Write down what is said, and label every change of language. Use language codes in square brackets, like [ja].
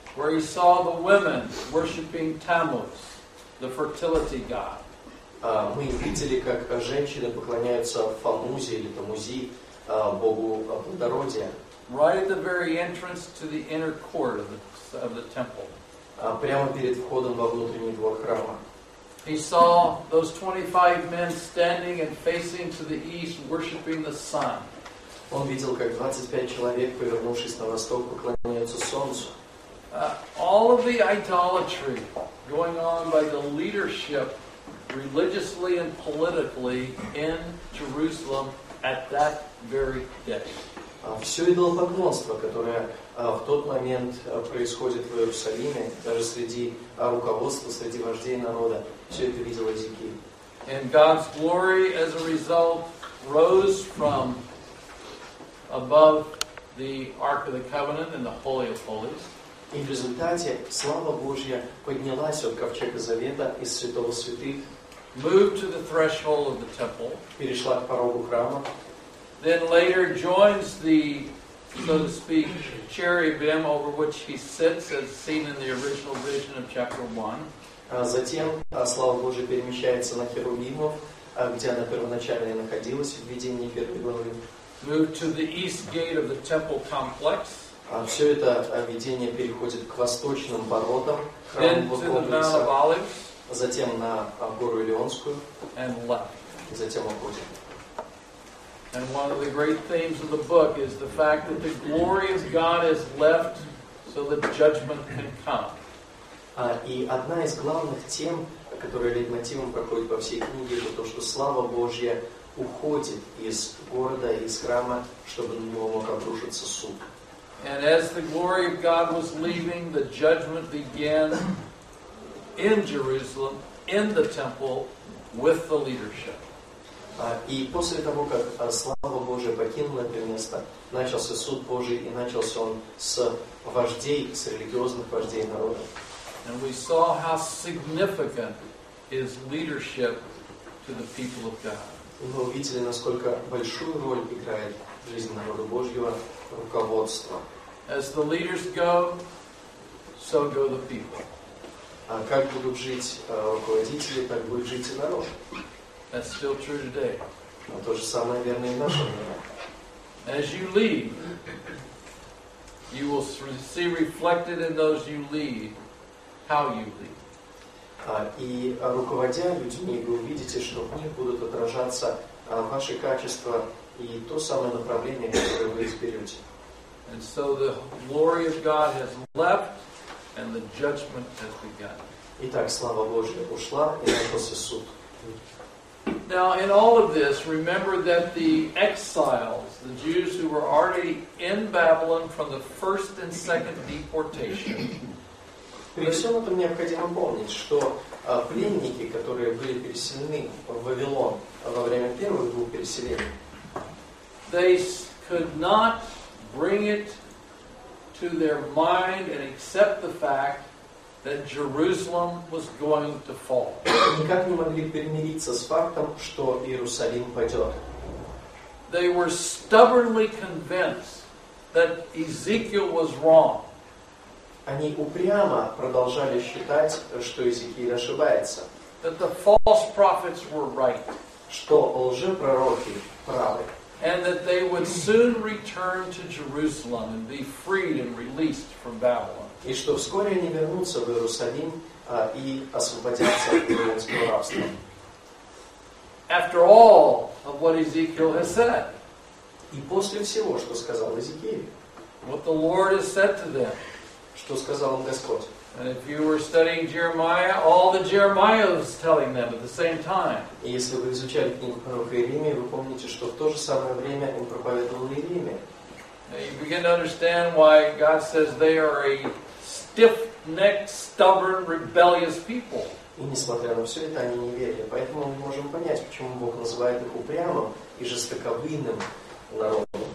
[en] Where he saw the women worshiping Tammuz, the fertility god. [ru] Мы видели, как женщины поклоняются Фамузе или Тамузи, богу плодородия. [en] Right at the very entrance to the inner court of the temple. [ru] Прямо перед входом во внутренний двор храма. [en] He saw those 25 men standing and facing to the east, worshiping the sun. [ru] Он видел, как 25 человек, повернувшись на восток, поклоняются солнцу. [en] All of the idolatry going on by the leadership religiously and politically in Jerusalem at that very day. [ru] Все идолопоклонство, которое в тот момент происходит в Иерусалиме, даже среди руководства, среди вождей народа, все это видел Иезекииль. [en] And God's glory as a result rose from above the Ark of the Covenant and the Holy of Holies. [ru] И в результате слава Божья поднялась от Ковчега Завета из Святого Святых. [en] Moved to the threshold of the temple. [ru] Перешла к порогу храма. [en] Then later joins the, so to speak, cherubim over which he sits, as seen in the original vision of chapter 1. [ru] Затем слава Божья перемещается на херувимов, где она первоначально находилась в видении первой главы. [en] Moved to the east gate of the temple complex. [ru] Все это видение переходит к восточным воротам храма. Затем на гору Елеонскую. [en] And left. [ru] Затем уходит. [en] And one of the great themes of the book is the fact that the glory of God is left so that judgment can come. [ru] И одна из главных тем, которая лейтмотивом проходит по всей книге, это то, что слава Божья уходит из города, из храма, чтобы на него мог обрушиться суд. [en] And as the glory of God was leaving, the judgment began in Jerusalem, in the temple, with the leadership. [ru] И после того, как слава Божия покинула это место, начался суд Божий, и начался он с вождей, с религиозных вождей народа. [en] And we saw how significant is leadership to the people of God. [ru] И мы увидели, насколько большую роль играет в жизни народа Божьего руководство. [en] As the leaders go, so go the people. [ru] А как будут жить руководители, так будет жить и народ. [en] That's still true today. [ru] Но то же самое верно и в нашем мире. [en] As you lead, you will see reflected in those you lead how you lead. [ru] И руководя людьми, вы увидите, что в них будут отражаться ваши качества и то самое направление, которое вы изберете. [en] And so the glory of God has left, and the judgment has begun. [ru] Итак, слава Божья ушла, и начался суд. [en] Now, in all of this, remember that the exiles, the Jews who were already in Babylon from the first and second deportation. [ru] При всем этом необходимо помнить, что пленники, которые были переселены в Вавилон во время первых двух переселений, [en] they could not bring it to their mind and accept the fact that Jerusalem was going to fall. [ru] Никак не могли примириться с фактом, что Иерусалим падет. [en] They were stubbornly convinced that Ezekiel was wrong. [ru] Они упрямо продолжали считать, что Иезекииль ошибается. [en] That the false prophets were right. [ru] Что лжепророки правы. [en] And that they would soon return to Jerusalem and be freed and released from Babylon. [ru] И что вскоре они вернутся в Иерусалим и освободятся от вавилонского рабства. [en] After all of what Ezekiel has said. [ru] И после всего, что сказал Иезекииль. [en] What the Lord has said to them. [ru] Что сказал им Господь. [en] And if you were studying Jeremiah, all the Jeremiah was telling them at the same time. [ru] Если вы изучали книгу пророка Иеремии, вы помните, что в то же самое время он проповедовал Иеремии. [en] You begin to understand why God says they are a stiff-necked, stubborn, rebellious people. [ru] И несмотря на все это, они не верили. Поэтому мы можем понять, почему Бог называет их упрямым и жестоковыйным народом.